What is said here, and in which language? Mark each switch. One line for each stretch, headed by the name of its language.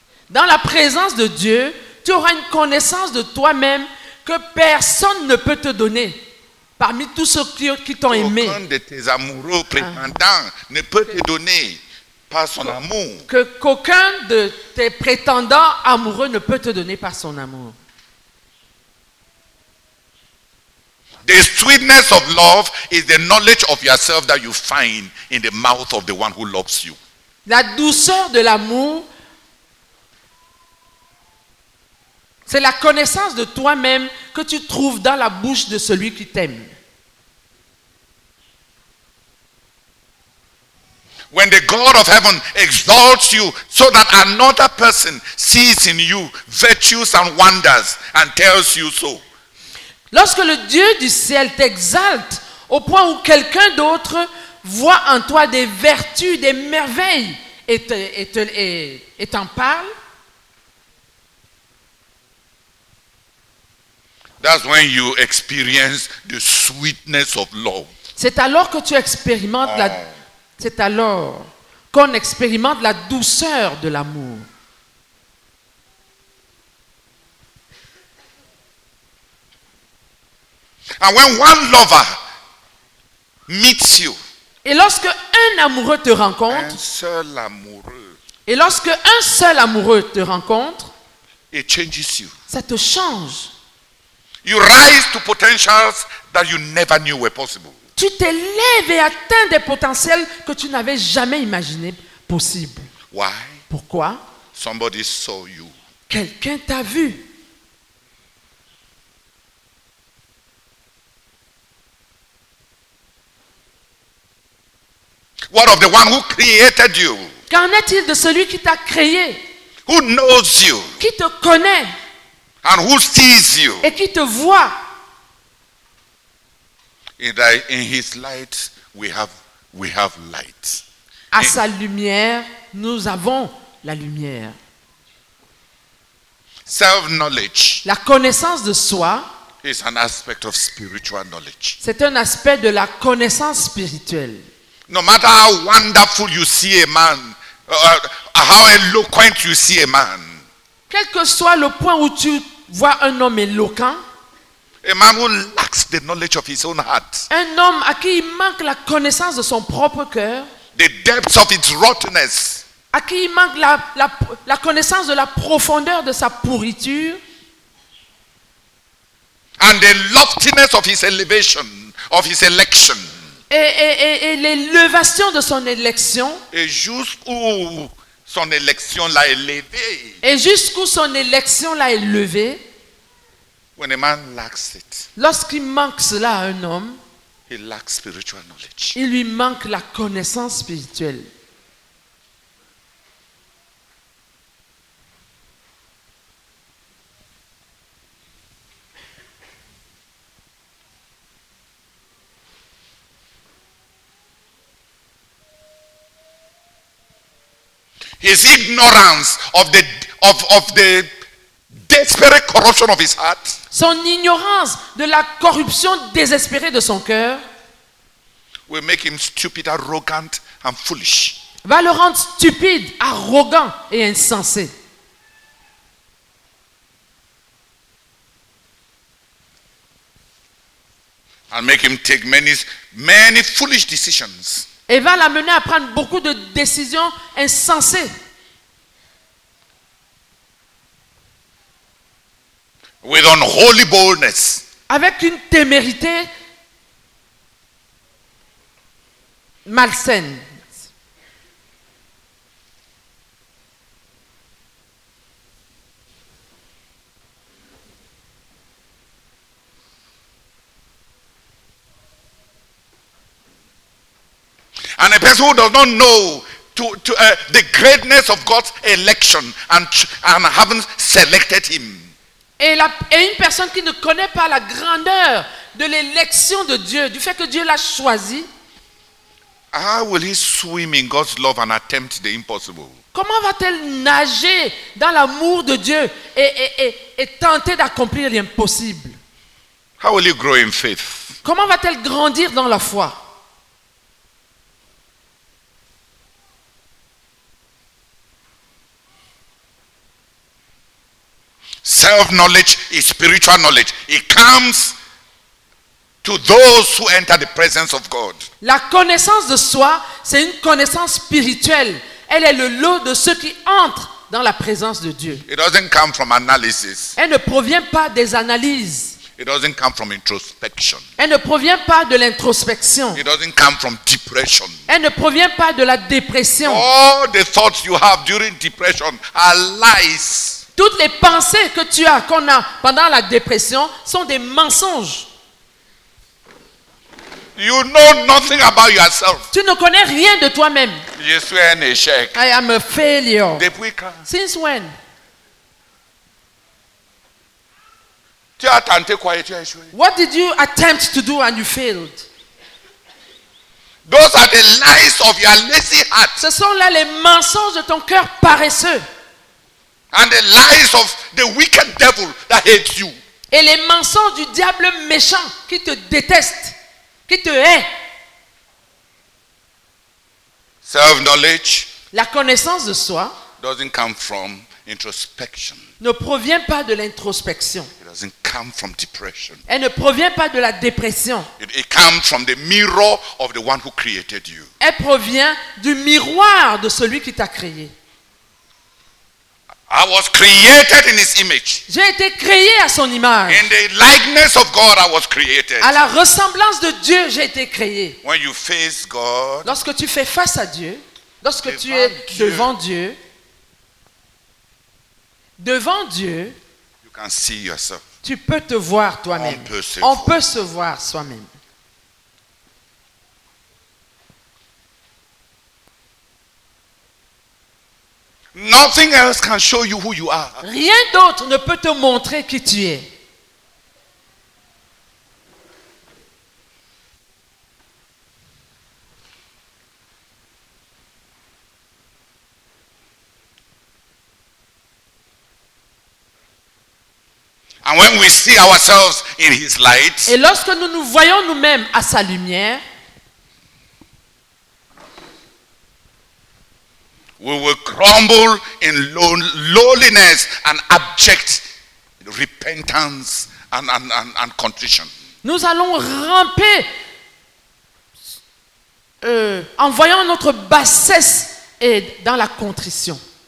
French: Dans la présence de Dieu, tu auras une connaissance de toi-même que personne ne peut te donner. Parmi tous ceux qui t'ont aimé. Aucun de tes amoureux prétendants ne peut te donner par son amour. Qu'aucun de tes prétendants amoureux ne peut te donner par son amour.
English: The sweetness of love is the knowledge of yourself that you find in the mouth of the one who loves you.
French: La douceur de l'amour, c'est la connaissance de toi-même que tu trouves dans la bouche de celui qui t'aime.
English: When the God of heaven exalts you so that another person sees in you virtues and wonders and tells you so.
French: Lorsque le Dieu du ciel t'exalte au point où quelqu'un d'autre voit en toi des vertus, des merveilles et t'en parle.
English: That's when you experience the sweetness of love.
French: C'est alors que tu expérimentes la C'est alors qu'on expérimente la douceur de l'amour.
English: And when one lover meets you.
French: Et lorsque un amoureux te rencontre. Un seul amoureux. Et lorsque un seul amoureux te rencontre.
English: It changes you.
French: Ça te change.
English: You rise to potentials that you never knew were possible.
French: Tu t'élèves et atteins des potentiels que tu n'avais jamais imaginé possible.
English: Why?
French: Pourquoi?
English: Somebody saw you.
French: Quelqu'un t'a vu.
English: What of the one who created you?
French: Qu'en est-il de celui qui t'a créé?
English: Who knows you?
French: Qui te connaît?
English: And who sees you?
French: Et qui te voit?
English: In his light, we have light.
French: À sa lumière, nous avons la lumière.
English: Self-knowledge.
French: La connaissance de soi.
English: Is an aspect of spiritual knowledge.
French: C'est un aspect de la connaissance spirituelle.
English: No matter how wonderful you see a man, how eloquent you see a man.
French: Quel que soit le point où tu vois un homme éloquent.
English: A man who lacks the knowledge of his own heart.
French: Un homme à qui il manque la connaissance de son propre cœur.
English: The depths of its rottenness.
French: À qui il manque la connaissance de la profondeur de sa pourriture.
English: And the loftiness of his elevation, of his election.
French: Et l'élévation de son élection. Et jusqu'où son élection l'a élevé. Et jusqu'où son élection l'a élevé.
English: When a man lacks it,
French: lorsqu'il manque cela à un homme,
English: he lacks spiritual knowledge.
French: Il lui manque la connaissance spirituelle.
English: His ignorance of the desperate corruption of his heart.
French: Son ignorance de la corruption désespérée de son cœur
English: will make him stupid, arrogant, and foolish.
French: Va le rendre stupide, arrogant et insensé.
English: And make him take many foolish decisions.
French: Et va l'amener à prendre beaucoup de décisions insensées.
English: With unholy boldness.
French: Avec une témérité malsaine.
English: And a person who does not know to the greatness of God's election and haven't selected him.
French: Et une personne qui ne connaît pas la grandeur de l'élection de Dieu, du fait que Dieu l'a choisi.
English: How will he swim in God's love and attempt the impossible?
French: Comment va-t-elle nager dans l'amour de Dieu et tenter d'accomplir l'impossible?
English: How will he grow in faith?
French: Comment va-t-elle grandir dans la foi?
English: Self-knowledge is spiritual knowledge. It comes to those who enter the presence of God.
French: La connaissance de soi, c'est une connaissance spirituelle. Elle est le lot de ceux qui entrent dans la présence de Dieu.
English: It doesn't come from analysis.
French: Elle ne provient pas des analyses.
English: It doesn't come from introspection.
French: Elle ne provient pas de l'introspection.
English: It doesn't come from depression.
French: Elle ne provient pas de la dépression.
English: All the thoughts you have during depression are lies.
French: Toutes les pensées que tu as, qu'on a pendant la dépression, sont des mensonges.
English: You know nothing about yourself.
French: Tu ne connais rien de toi-même. Je suis un échec.
English: I am a failure.
French: Depuis quand?
English: Since when?
French: Tu as tenté quoi et tu as échoué?
English: What did you attempt to do and you failed? Those are the lies of your lazy heart.
French: Ce sont là les mensonges de ton cœur paresseux.
English: And the lies of the wicked devil that hates you.
French: Et les mensonges du diable méchant qui te déteste, qui te hait.
English: Self-knowledge.
French: La connaissance de soi.
English: Doesn't come from introspection.
French: Ne provient pas de l'introspection.
English: It doesn't come from depression.
French: Elle ne provient pas de la dépression.
English: It comes from the mirror of the one who created you.
French: Elle provient du miroir de celui qui t'a créé.
English: I was created in his image.
French: J'ai été créé à son image.
English: In the likeness of God, I was created.
French: À la ressemblance de Dieu, j'ai été créé.
English: When you face God,
French: lorsque tu fais face à Dieu, lorsque tu es devant Dieu,
English: you can see yourself.
French: Tu peux te voir toi-même. On peut se voir soi-même.
English: Nothing else can show you who you are.
French: Rien d'autre ne peut te montrer qui tu es.
English: And when we see ourselves in his light,
French: et lorsque nous nous voyons nous-mêmes à sa lumière,
English: we will crumble in lowliness and abject repentance and contrition.
French: Nous allons ramper en voyant notre bassesse et dans la contrition.